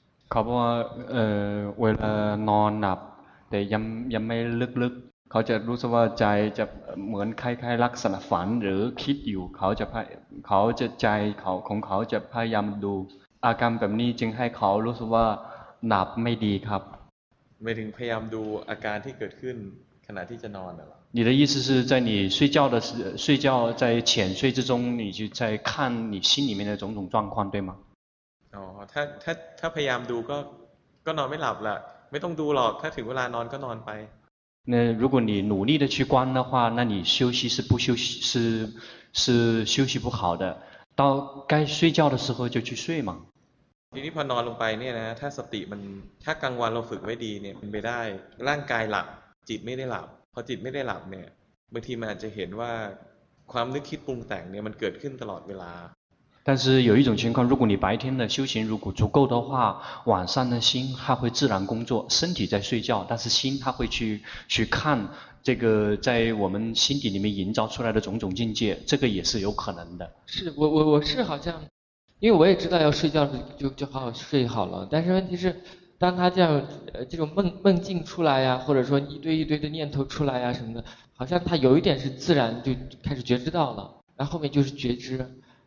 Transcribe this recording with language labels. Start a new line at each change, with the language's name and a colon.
Thai: เขาบอกว่าเวลานอนหลับแต่ยังไม่ลึกๆเขาจะรู้สึกว่าใจจะเหมือนคล้ายๆลักษณะฝันหรือคิดอยู่เขาจะใจของเขาจะพยายามดูอาการแบบนี้จึงให้เขารู้สึกว่าหลับไม่ดีครับ หมายถึงพยายามดูอาการที่เกิดขึ้นขณะที่จะนอนเหรอ
Chinese: 你的意思是在你睡觉的时睡觉在浅睡之中你就在看你心里面的种种状况对吗
Thai: อ๋อถ้าพยายามดูก็นอนไม่หลับล่ะไม่ต้องดูหรอกถ้าถึงเวลานอนก็นอนไป
Chinese: 那如果你努力的去观的话那你休息是不休息是休息不好的到该睡觉的时候就去睡嘛
Thai: ทีนี้พอนอนลงไปเนี่ยนะถ้าสติมันถ้ากลางวันเราฝึกไว้ดีเนี่ยมันไปได้ร่างกายหลับจิตไม่ได้หลับพอจิตไม่ได้หลับเนี่ยบางทีมันอาจจะเห็นว่าความนึกคิดปรุงแต่งเนี่ยมันเกิดขึ้นตลอดเวลา
Chinese: 但是有一种情况，如果你白天的修行如果足够的话，晚上的心它会自然工作，身体在睡觉，但是心它会去看这个在我们心底里面营造出来的种种境界，这个也是有可能的。是我是好像，因为我也知道要睡觉就好好睡好了，但是问题是，当他这样这种梦境出来呀，或者说一堆一堆的念头出来呀什么的，好像他有一点是自然就开始觉知到了，然后后面就是觉知。